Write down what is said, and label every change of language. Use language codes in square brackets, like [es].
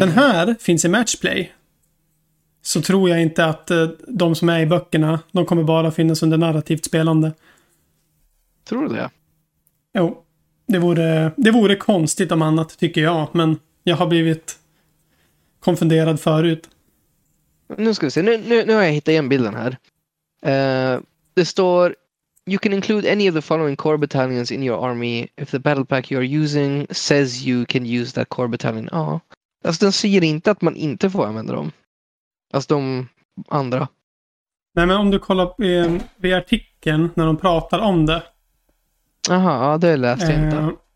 [sv] Den här finns i matchplay. Så tror jag inte att de som är i böckerna, de kommer bara finnas under narrativt spelande. Tror du det? Jo, det vore konstigt om annat, tycker jag. Men jag har blivit konfunderad förut. Nu ska vi se. Nu har jag hittat igen bilden här. Det står: [en] You can include any of the following core battalions in your army if the battle pack you are using says you can use that core battalion. [sv] Ja, alltså den säger inte att man inte får använda dem. Alltså de andra. Nej, men om du kollar på artikeln när de pratar om det. Aha, ja, det läste jag inte.